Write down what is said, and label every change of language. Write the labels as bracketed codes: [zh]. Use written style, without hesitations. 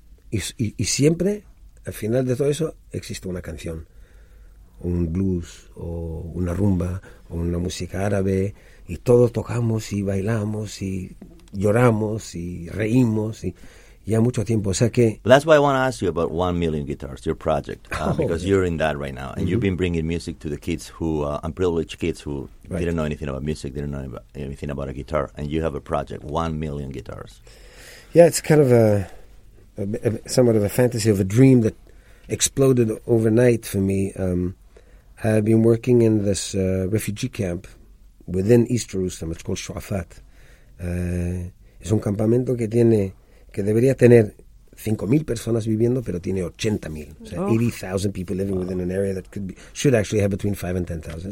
[es] Y siempre... Al final de todo eso existe una canción, un blues o una rumba o una música árabe y todos tocamos y bailamos y lloramos y reímos y ya mucho tiempo. O sea que... [en] That's why I want to ask you about 1 Million Guitars, your project, because you're in that right now and mm-hmm. you've been bringing music to the kids who are unprivileged kids who right. didn't know anything about music, didn't know anything about a guitar, and you have a project, 1 Million Guitars. Yeah, it's kind of somewhat of a fantasy of a dream that exploded overnight for me. I've been working in this refugee camp within East Jerusalem. It's called Shu'afat. [es] Es un campamento que debería tener 5,000 personas viviendo, pero tiene 80,000. [en] So 80,000 people living within an area that should actually have between 5 and 10,000.